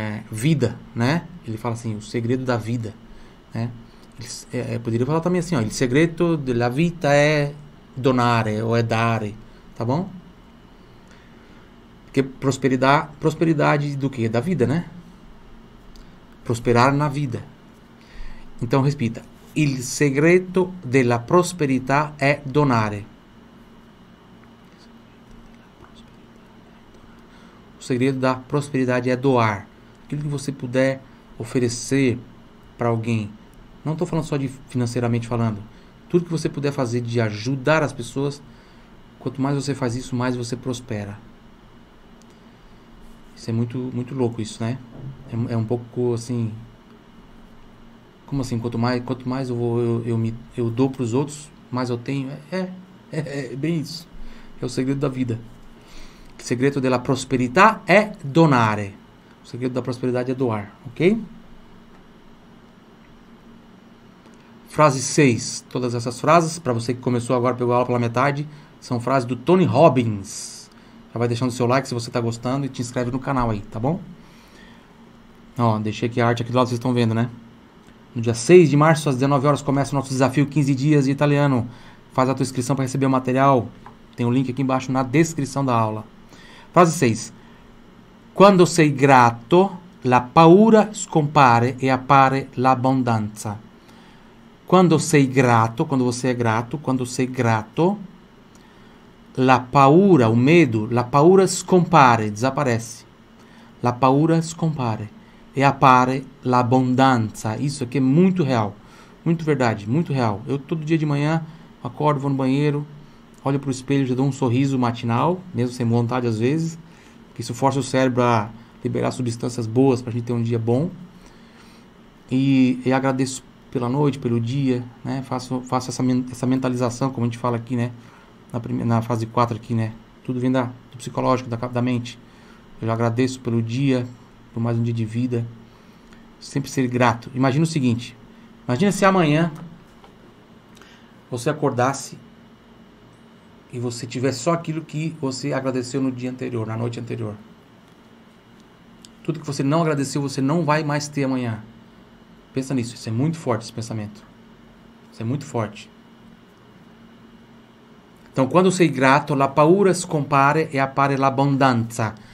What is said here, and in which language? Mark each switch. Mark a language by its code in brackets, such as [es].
[pt] Vida, né? Ele fala assim, o segredo da vida, né? Poderia falar também assim, ó, [it] il segreto della vita è donare [pt] ou [it] è dare, [pt] tá bom? Porque prosperidade do quê? Da vida, né? Prosperar na vida. Então, repita, [it] il segreto della prosperità è donare. [pt] O segredo da prosperidade é doar. Aquilo que você puder oferecer para alguém, não estou falando só de financeiramente falando, tudo que você puder fazer de ajudar as pessoas, quanto mais você faz isso, mais você prospera. Isso é muito, muito louco isso, né? É um pouco assim, como assim? Quanto mais eu dou para os outros, mais eu tenho. É bem isso. É o segredo da vida. O segredo [it] della prosperità é donare. [pt] O segredo da prosperidade é doar, ok? Frase 6. Todas essas frases, para você que começou agora, pegou a aula pela metade, são frases do Tony Robbins. Já vai deixando o seu like se você está gostando e te inscreve no canal aí, tá bom? Ó, deixei aqui a arte aqui do lado, vocês estão vendo, né? No dia 6 de março, às 19 horas, começa o nosso desafio 15 dias de italiano. Faz a tua inscrição para receber o material. Tem o um link aqui embaixo na descrição da aula. Frase 6. [it] Quando sei grato, la paura scompare e appare l'abbondanza. Quando sei grato, [pt] quando você é grato, [it] quando sei grato, la paura, [pt] o medo, [it] la paura scompare, [pt] desaparece. [it] La paura scompare e appare l'abbondanza. [pt] Isso aqui é muito real, muito verdade, muito real. Eu todo dia de manhã acordo, vou no banheiro, olho para o espelho, já dou um sorriso matinal, mesmo sem vontade às vezes. Isso força o cérebro a liberar substâncias boas para a gente ter um dia bom. E agradeço pela noite, pelo dia, né? Faço essa mentalização, como a gente fala aqui, né? Na fase 4 aqui, né? Tudo vem do psicológico, da mente. Eu já agradeço pelo dia, por mais um dia de vida. Sempre ser grato. Imagina o seguinte. Imagina se amanhã você acordasse e você tiver só aquilo que você agradeceu no dia anterior, na noite anterior. Tudo que você não agradeceu, você não vai mais ter amanhã. Pensa nisso, isso é muito forte, esse pensamento. Isso é muito forte. [it] Então, quando sei grato, la paura scompare e appare l'abbondanza.